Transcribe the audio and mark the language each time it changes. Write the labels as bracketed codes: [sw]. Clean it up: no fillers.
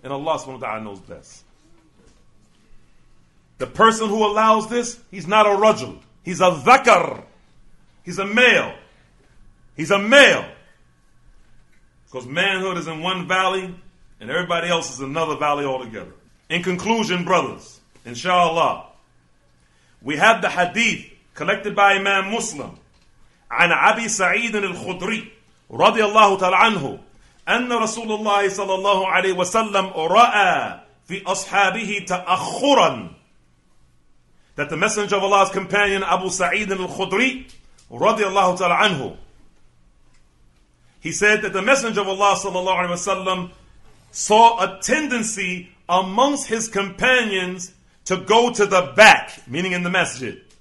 [en] And Allah subhanahu wa ta'ala knows best. The person who allows this, he's not a rajul. He's a dhakar. He's a male. He's a male. Because manhood is in one valley and everybody else is another valley altogether. In conclusion, brothers, inshallah, we have the hadith collected by Imam Muslim [ar] عن عبي سعيد الخدري رضي الله تعالى عنه أن رسول الله صلى الله عليه وسلم رأى في أصحابه تأخرا. [en] That the Messenger of Allah's companion Abu Sa'id al-Khudri radiallahu ta'ala anhu, he said that the Messenger of Allah sallallahu alayhi wa sallam saw a tendency amongst his companions to go to the back, meaning in the masjid.